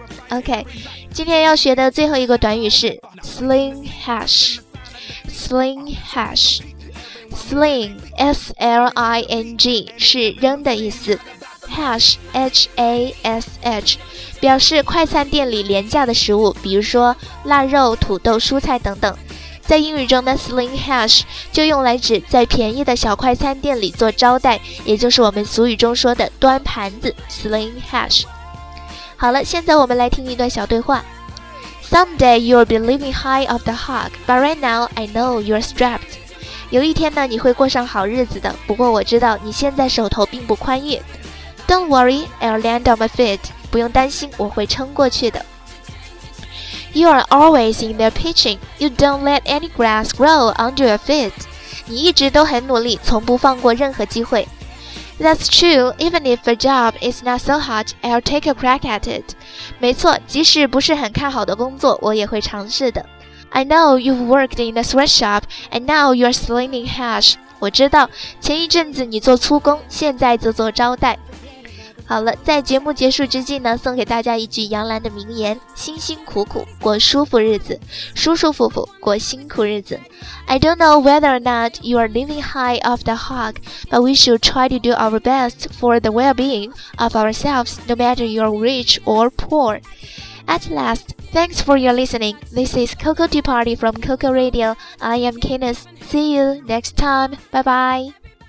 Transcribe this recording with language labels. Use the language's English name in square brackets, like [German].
[Chinese] OK， 今天要学的最后一个短语是 Sling Hash， Sling Hash， Sling S-L-I-N-G 是扔的意思，Hash H-A-S-H 表示快餐店里廉价的食物，比如说腊肉、土豆、蔬菜等等。在英语中的 Sling Hash 就用来指在便宜的小快餐店里做招待，也就是我们俗语中说的端盘子， Sling Hash。好了，现在我们来听一段小对话。 [English] Someday you'll be living high off the hog, but right now I know you're strapped。 [Chinese] 有一天呢，你会过上好日子的，不过我知道你现在手头并不宽裕。 [English] Don't worry, I'll land on my feet. [Chinese] 不用担心，我会撑过去的。 [English] You are always in there pitching. You don't let any grass grow under your feet. [Chinese] 你一直都很努力，从不放过任何机会。 [English] That's true, even if a job is not so hot, I'll take a crack at it. [Chinese] 没错，即使不是很看好的工作，我也会尝试的。 [English] I know you've worked in a sweatshop, and now you're slinging hash. [Chinese] 我知道，前一阵子你做粗工，现在则做招待。好了，在节目结束之际呢，送给大家一句杨澜的名言，辛辛苦苦过舒服日子，舒舒服服过辛苦日子。 [English] I don't know whether or not you are living high off the hog, but we should try to do our best for the well-being of ourselves, no matter you are rich or poor. At last, thanks for your listening. This is Coco Tea Party from Coco Radio. I am Kenneth. See you next time. Bye bye.